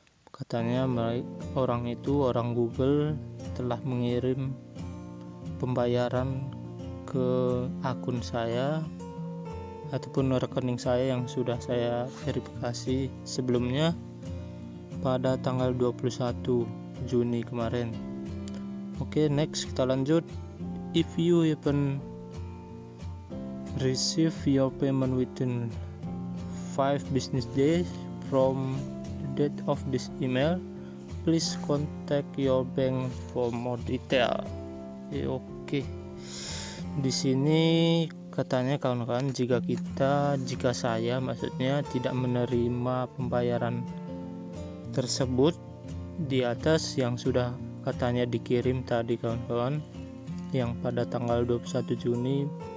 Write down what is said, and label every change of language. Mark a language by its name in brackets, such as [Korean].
[Indonesian] Katanya orang itu, orang Google, telah mengirim pembayaran ke akun saya ataupun rekening saya yang sudah saya verifikasi sebelumnya pada tanggal 21 Juni kemarin. Oke, next kita lanjut. [English] If you even receive your payment within 5 business days from the date of this email, please contact your bank for more detail. Oke. [Indonesian] Di sini katanya kawan-kawan, jika saya maksudnya tidak menerima pembayaran tersebut di atas yang sudah katanya dikirim tadi kawan-kawan, yang pada tanggal 21 Juni